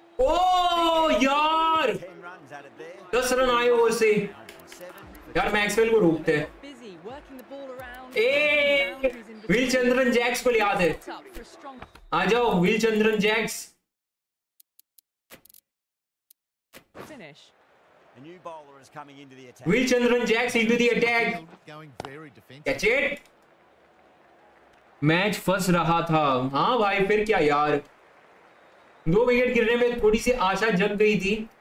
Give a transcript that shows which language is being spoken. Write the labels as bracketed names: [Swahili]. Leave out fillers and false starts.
[Hindi] ओ यार 10 रन आए ओवर से यार, मैक्सवेल को रोकते हैं। विल चंद्रन जैक्स को याद है, आ जाओ will Chandran Jacques. [English] A new bowler is coming into the attack. Wilchandran Jacks into the attack. Going very defensive. Catch it. [Hindi] Match फंस रहा था. हाँ भाई फिर क्या यार, दो विकेट गिरने में थोड़ी सी आशा जग गई थी.